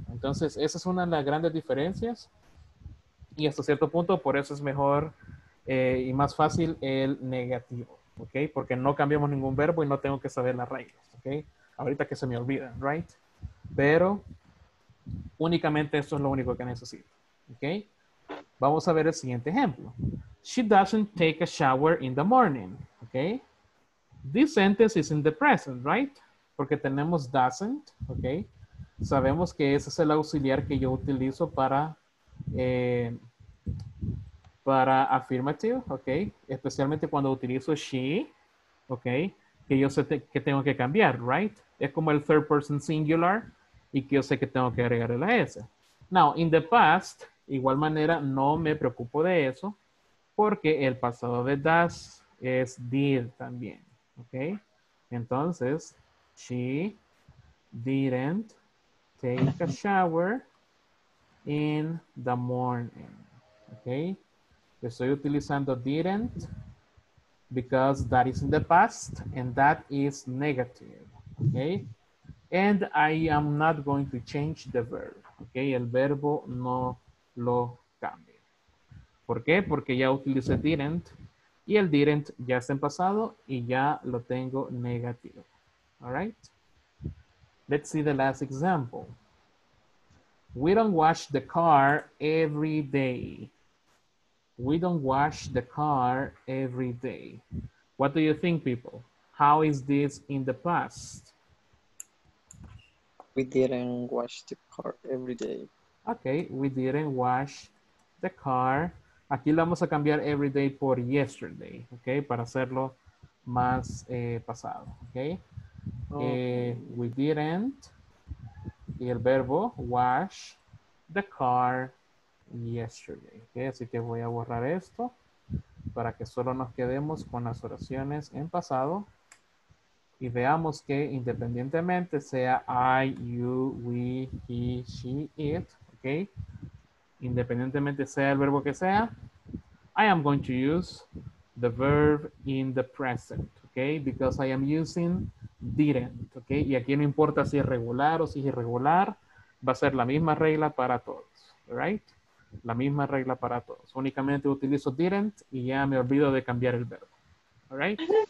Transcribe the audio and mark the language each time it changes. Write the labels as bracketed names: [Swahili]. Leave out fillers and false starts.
[Spanish] Entonces, esa es una de las grandes diferencias. Y hasta cierto punto, por eso es mejor y más fácil el negativo, ¿ok? Porque no cambiamos ningún verbo y no tengo que saber las reglas, ¿ok? Ahorita que se me olvida, ¿right? Pero únicamente esto es lo único que necesito, ¿ok? Vamos a ver el siguiente ejemplo. [English] She doesn't take a shower in the morning, ¿ok? This sentence is in the present, ¿right? [Spanish] Porque tenemos [English] doesn't, ¿ok? [Spanish] Sabemos que ese es el auxiliar que yo utilizo para affirmative, ok, especialmente cuando utilizo she, ok, que yo sé que tengo que cambiar, right, es como el third person singular y que yo sé que tengo que agregarle la s. [English] Now, in the past, [Spanish] igual manera no me preocupo de eso porque el pasado de does es did también, ok, entonces [English] she didn't take a shower in the morning. [Spanish] Okay. Estoy utilizando [English] didn't because that is in the past and that is negative. Okay. And I am not going to change the verb. [Spanish] Okay. El verbo no lo cambio. ¿Por qué? Porque ya utilicé didn't y el didn't ya está en pasado y ya lo tengo negativo. [English] All right. Let's see the last example. We don't wash the car every day. We don't wash the car every day. What do you think, people? How is this in the past? We didn't wash the car every day. Okay, we didn't wash the car. [Spanish] Aquí lo vamos a cambiar [English] every day por yesterday, okay? [Spanish] Para hacerlo más pasado, okay? Okay. [English] We didn't. [Spanish] Y el verbo [English] wash the car yesterday. [Spanish] Okay, así que voy a borrar esto para que solo nos quedemos con las oraciones en pasado. Y veamos que independientemente sea I, you, we, he, she, it, okay, independientemente sea el verbo que sea, [English] I am going to use the verb in the present, [Spanish] okay, [English] because I am using didn't, [Spanish] okay, y aquí no importa si es regular o si es irregular, va a ser la misma regla para todos, right, la misma regla para todos, únicamente utilizo didn't y ya me olvido de cambiar el verbo, alright.